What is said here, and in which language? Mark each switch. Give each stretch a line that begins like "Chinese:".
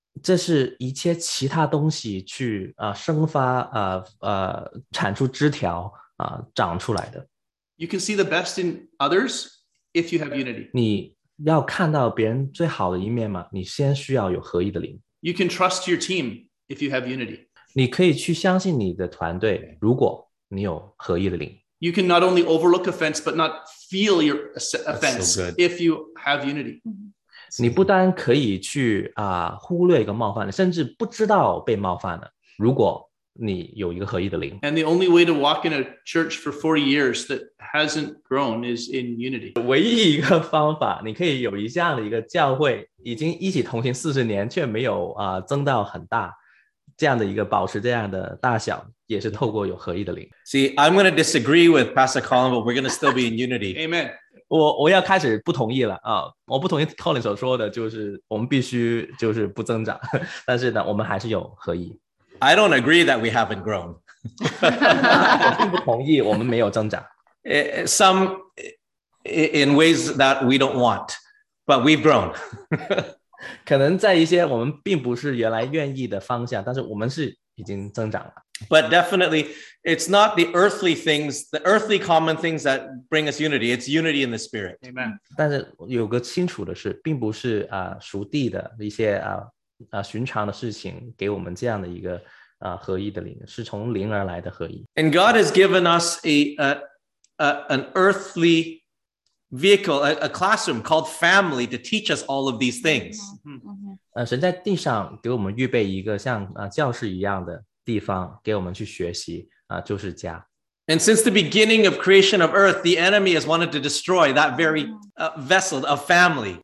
Chinese: 这是一切其他东西去生发产出枝条长出来的。
English: You can see the best in others if you have unity.
Chinese: 你要看到别人最好的一面吗？你先需要有合一的灵。
English: You can trust your team if you have unity.
Chinese: 你可以去相信你的团队，如果你有合一的灵。
English: You can not only overlook offense but not feel your offense so if you have unity.
Chinese: 你不单可以去忽略一个冒犯的，甚至不知道被冒犯的，如果你有一个合一的灵。
English: And the only way to walk in a church for 40 years that hasn't grown is in unity.
Chinese: 唯一一个方法，你可以有一下的一个教会，已经一起同行40年，却没有增到很大，这样的一个保持这样的大小，也是透过有合一的灵。
English: See, I'm going to disagree with Pastor Colin, but we're going to still be in unity. Amen.
Chinese: 我要开始不同意了我不同意 Colin 所说的，就是我们必须就是不增长，但是呢，我们还是有合一。
English: I don't agree that we haven't grown.
Chinese: 我并不同意我们没有增长。
English: Some in ways that we don't want, but we've grown.
Chinese: 可能在一些我们并不是原来愿意的方向，但是我们是已经增长了。
English: But definitely, it's not the earthly things, the earthly common things that bring us unity. It's unity in the spirit. Amen.
Chinese: 但是有个清楚的是，并不是属地的一些寻常的事情给我们这样的一个合一的灵，是从灵而来的合一。
English: And God has given us an earthly vehicle, a classroom called family to teach us all of these things. Mm-hmm.
Chinese: 神在地上给我们预备一个像教室一样的地方给我们去学习就是家。
English: And since the beginning of creation of earth, the enemy has wanted to destroy that very vessel of family.